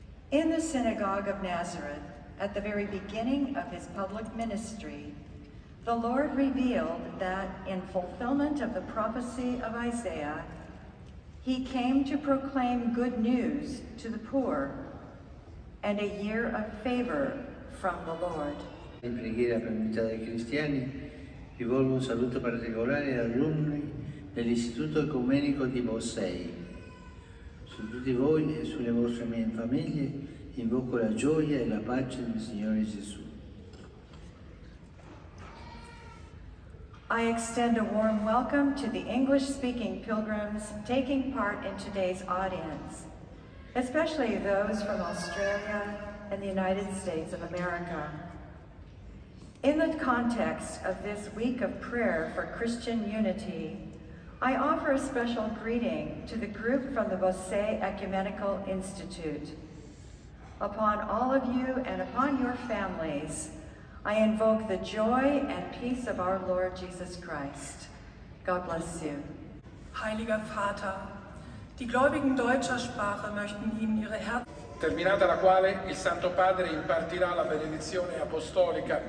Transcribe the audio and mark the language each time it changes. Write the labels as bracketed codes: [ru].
[en] In the synagogue of Nazareth, at the very beginning of his public ministry, the Lord revealed that, in fulfillment of the prophecy of Isaiah, he came to proclaim good news to the poor and a year of favor from the Lord. [it] In preghiera per l'unità dei cristiani, rivolgo un saluto particolare agli alunni dell'Istituto Ecumenico di Bossei. Su tutti voi e sulle vostre mie famiglie invoco la gioia e la pace del Signore Gesù. [en] I extend a warm welcome to the English-speaking pilgrims taking part in today's audience, especially those from Australia and the United States of America. In the context of this week of prayer for Christian unity, I offer a special greeting to the group from the Bosse Ecumenical Institute. Upon all of you and upon your families, I invoke the joy and peace of our Lord Jesus Christ. God bless you. [de] Heiliger Vater, die Gläubigen deutscher Sprache möchten Ihnen ihre Herzen. [it] Terminata la quale il Santo Padre impartirà la benedizione apostolica.